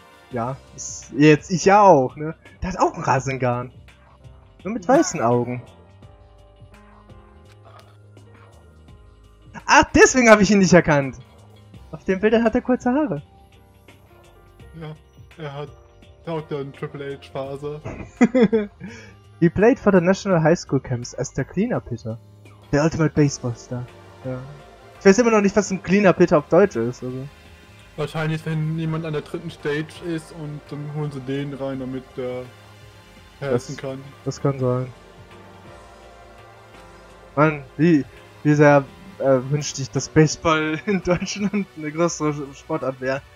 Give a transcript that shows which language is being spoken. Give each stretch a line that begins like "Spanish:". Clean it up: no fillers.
German: Ja, jetzt ich ja auch, ne? Der hat auch einen Rasengarn. Nur mit weißen Augen. Ach, deswegen habe ich ihn nicht erkannt. Auf dem Bild hat er kurze Haare. Ja, er hat auch eine Triple H Phase.
English: He played for the National High School Camps as the Cleaner Pitcher. The Ultimate Baseball Star. Ja.
German: Ich weiß immer noch nicht, was ein Cleaner Pitcher auf Deutsch ist. Also. Wahrscheinlich, wenn jemand an der dritten Stage ist und dann holen sie den rein, damit der passen kann. Das kann sein. Mann, wie sehr wünschte ich, dass Baseball in Deutschland eine größere Sportart wäre.